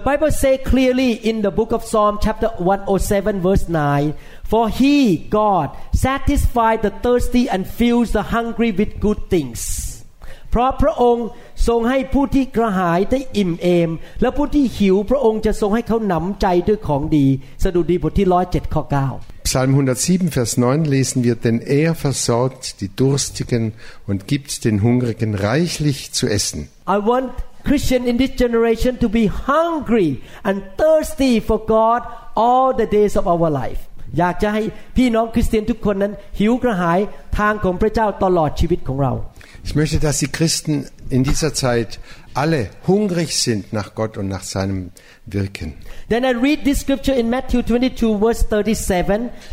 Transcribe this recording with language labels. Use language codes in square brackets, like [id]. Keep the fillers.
[en] Bible says clearly in the book of Psalm chapter 107 verse 9, For he, God, satisfies the thirsty and fills the hungry with good things. [th] พราะพระองค์ทรงให้ผู้ที่กระหายได้อิ่มเอมและผู้ที่หิวพระองค์จะทรงให้เขาหนำใจด้วยของดีสดุดีบทที่ร้อยเจ็ดข้อเก้า [de] Psalm 107, Vers 9 lesen wir, denn er versorgt die Durstigen und gibt den Hungrigen reichlich zu essen. [en] I want Christian in this generation to be hungry and thirsty for God all the days of our life. [th] อยากจะให้พี่น้องคริสเตียนทุกคนนั้นหิวกระหายทางของพระเจ้าตลอดชีวิตของเรา [de] Ich möchte, dass die Christen in dieser Zeit alle hungrig sind nach Gott und nach seinem Wirken. [en] Then I read this scripture in Matthew 22 verse 37.